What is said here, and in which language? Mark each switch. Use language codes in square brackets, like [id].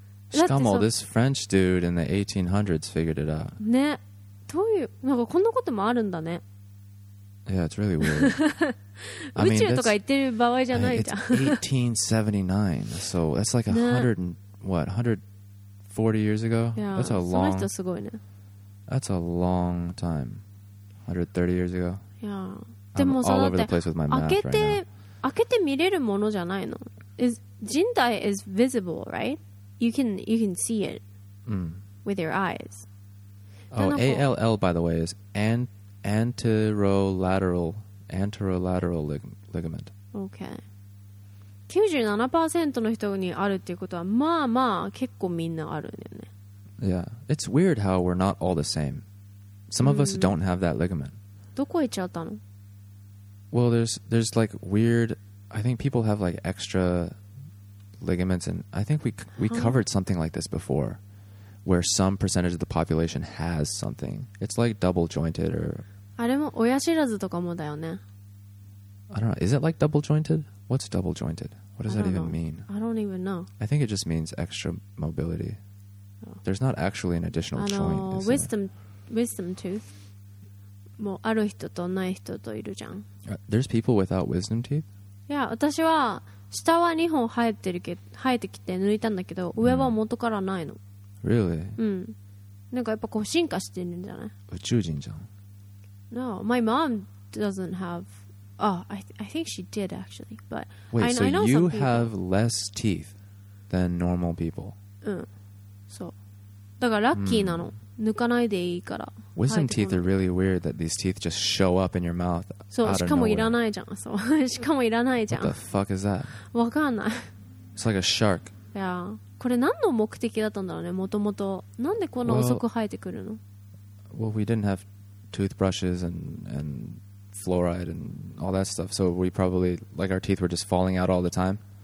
[ja] しかも [en] this French dude in the 1800s figured it out. [ja] ね、どういう、なんかこんなこともあるんだね。 [en] Yeah, it's really weird. [ja] 宇宙とか言ってる場合じゃないじゃん。 [en] It's 1879, so that's like 100 and what, 140 years ago? Yeah, that's a long, [ja] その人すごいね。 [en] That's a long time. 130 years ago? Yeah. [ja] でもさ、 [en] all over the place with my math right now. [ja] 開けて見れるものじゃないの？ [en] 人体 is visible, right? You can see it with your eyes. Oh, ALL, by the way, is anterolateral ligament. Okay. [ja] 97% の人にあるっていうことは、まあまあ結構みんなあるよね。 [en] Yeah, it's weird how we're not all the same. Some of us don't have that ligament. [ja] どこ行っちゃったの？ [en] Well, there's like weird, I think people have like extra ligaments, and I think we covered something like this before, where some percentage of the population has something. It's like double jointed or... [ja] あれも親知らずとかもだよね。 [en] I don't know, is it like double jointed? What's double jointed? What does that even mean? I don't even know. I think it just means extra mobility. There's not actually an additional joint. Wisdom tooth. [ja] もうある人とない人といるじゃん。 [en] There's people without wisdom teeth? Yeah, [ja] 私は下は2本生えてきて抜いたんだけど、上は元からないの。 [en] Really? [ja] なんかやっぱこう進化してるんじゃない？宇宙人じゃん。 [en] No, my mom doesn't have... Oh, I think she did actually, but wait, I know you some people have less teeth than normal people. So, [ja] だからラッキーなの。抜かないでいいから。 [en] Wisdom teeth are really weird that these teeth just show up in your mouth. [ja] そう、しかもいらないじゃん。そう、しかもいらないじゃん。 [en] What the fuck is that? [ja] わかんない。 [en] It's like a shark. Yeah, [ja] これ何の目的だったんだろうね。もともとなんでこんな遅く生えてくるの？ [en] Well, we didn't have toothbrushes and fluoride and all that stuff, so we probably like our teeth were just falling out all the time.